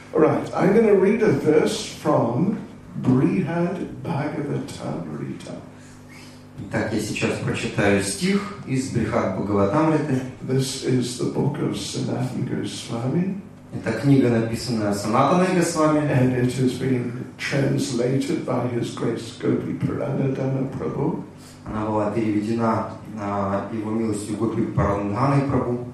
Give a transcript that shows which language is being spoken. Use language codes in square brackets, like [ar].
[en] Alright, I'm going to read a verse from Brihad Bhagavatamrita. [ru] Так, я сейчас прочитаю стих из Брихад Бхагаватамриты. [en] This is the book of Sanatana Goswami. [ru] Эта книга написана Санатаной Госвами. [en] And it has been translated by His Grace Gopi Puranadana Prabhu. [ru] Она была переведена на его милостью Гопи Парангханой Прабху.